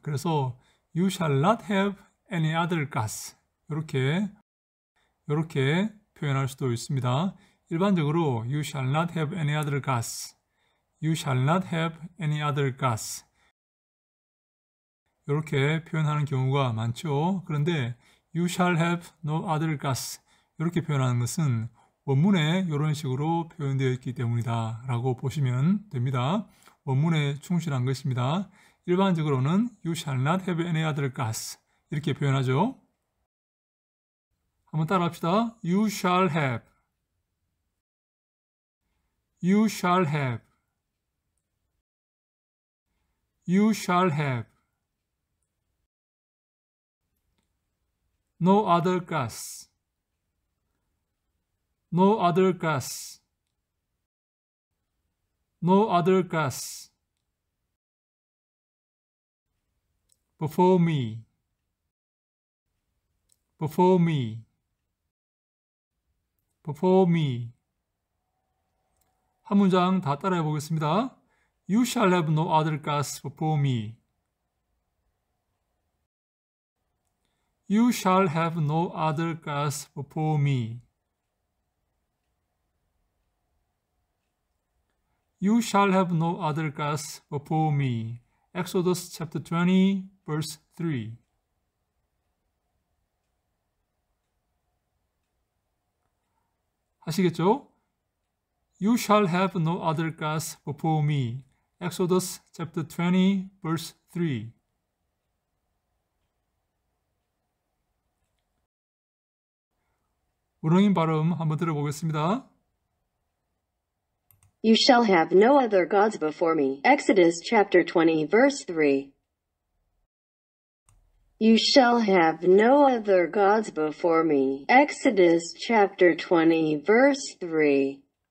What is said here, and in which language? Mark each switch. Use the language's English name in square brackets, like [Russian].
[Korean] 그래서 [English] you shall not have any other gods. [Korean] 이렇게 표현할 수도 있습니다. 일반적으로 [English] you shall not have any other gods. You shall not have any other gods. [Korean] 이렇게 표현하는 경우가 많죠. 그런데 [English] you shall have no other gods. [Korean] 이렇게 표현하는 것은 원문에 이런 식으로 표현되어 있기 때문이다라고 보시면 됩니다. 원문에 충실한 것입니다. 일반적으로는 [English] you shall not have any other gods. [Korean] 이렇게 표현하죠. 한번 따라 합시다. [English] You shall have. You shall have. You shall have. No other gods. No other gods. No other gods. Before me. Before me. Before me. [Korean] 한 문장 다 따라해 보겠습니다. [English] You shall have no other gods before me. You shall have no other gods before me. You shall have no other gods before me. Exodus chapter 20, verse 3. [Korean] 아시겠죠? [English] You shall have no other gods before me. Exodus chapter 20, verse 3. [Korean] 원어민 발음 한번 들어보겠습니다. [English] You shall have no other gods before me. Exodus chapter 20, verse 3. You shall have no other gods before me. Exodus chapter 20, verse 3.